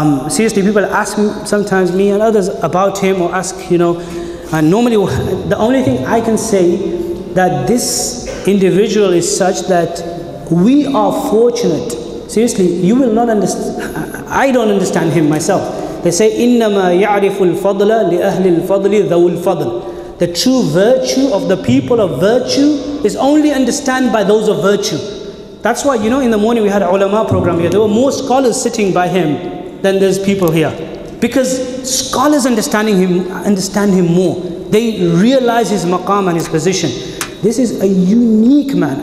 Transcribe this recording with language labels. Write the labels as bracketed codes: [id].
[en] Seriously, people ask sometimes me and others about him, or ask, you know, and normally, the only thing I can say, that this individual is such that we are fortunate. Seriously, you will not understand. I don't understand him myself. They say, [ar] إِنَّمَا يَعْرِفُ الْفَضْلَ لِأَهْلِ الْفَضْلِ ذَوُ الْفَضْلِ. [en] The true virtue of the people of virtue is only understood by those of virtue. That's why, you know, in the morning we had an ulama program here. There were more scholars sitting by him than there's people here. Because scholars understand him more. They realize his maqam and his position. This is a unique man.